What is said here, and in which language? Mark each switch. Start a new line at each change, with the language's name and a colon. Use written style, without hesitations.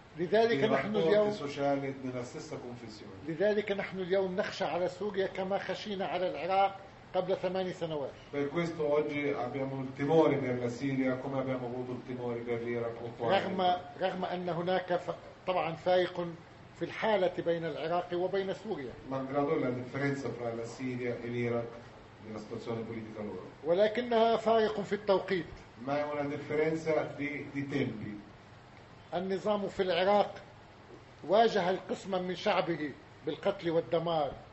Arabic: لذلك نحن اليوم نخشى على سوريا كما خشينا على العراق قبل 8 سنوات.
Italian: Per questo oggi abbiamo il timore per la Siria come abbiamo avuto il timore per l'Iraq.
Arabic: رغم أن هناك طبعا فائق في الحالة بين العراق وبين سوريا.
Italian: Malgrado la differenza fra la Siria e l'Iraq nella situazione politica loro.
Arabic: ولكنها فائق في التوقيت.
Italian: Ma è una differenza di tempi.
Arabic: النظام في العراق واجه القسم من شعبه بالقتل والدمار.